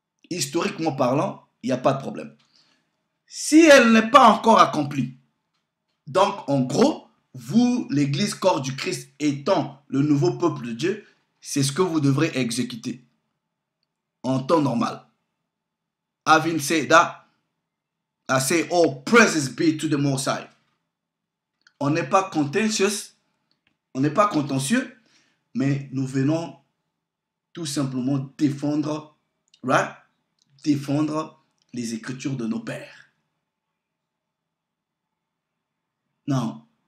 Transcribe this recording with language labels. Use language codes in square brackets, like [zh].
[fr] Historiquement parlant, il n'y a pas de problème. Si elle n'est pas encore accomplie, donc en gros, vous, l'Église corps du Christ étant le nouveau peuple de Dieu, c'est ce que vous devrez exécuter en temps normal. [en] Having said that, I say, oh, praise be to the Most High. [fr] On n'est pas contentieux, on n'est pas contentieux, mais nous venons tout simplement défendre, right? Défendre les écritures de nos pères. Non.